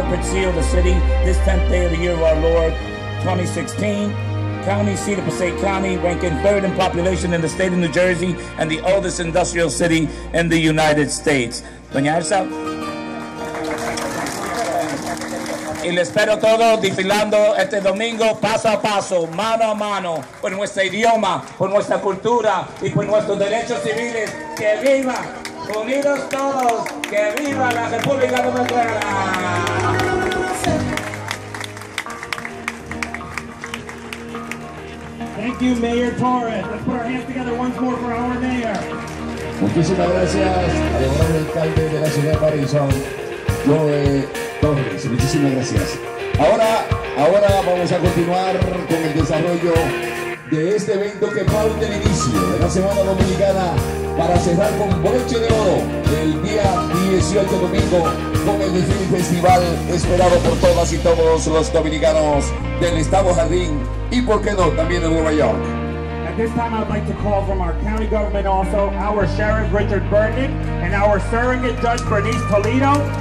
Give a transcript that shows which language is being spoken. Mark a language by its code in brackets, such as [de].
[en] Seal the city this 10th day of the year of our Lord 2016. County seat of Passaic County, ranking third in population in the state of New Jersey and the oldest industrial city in the United States. [es] Doña Elsa. Y le espero todo desfilando este domingo paso a paso, mano a mano, por nuestro idioma, por nuestra cultura y por nuestros derechos civiles. ¡Que viva! ¡Unidos todos! ¡Que viva la República Dominicana! [en] Thank you, Mayor Torres. Let's put our hands together once more for our mayor. [es] Muchísimas gracias, señor alcalde de la ciudad de Patterson, Joe Torres. Muchísimas gracias. Ahora vamos a continuar con el desarrollo de este evento que falta el inicio de la Semana Dominicana para cerrar con broche de oro el día 18 domingo con el desfile festival esperado por todas y todos los dominicanos del Estado Jardín y, por qué no, también de Nueva York. [en] At this time, I'd like to call from our county government also our Sheriff Richard Burton and our surrogate judge Bernice Toledo.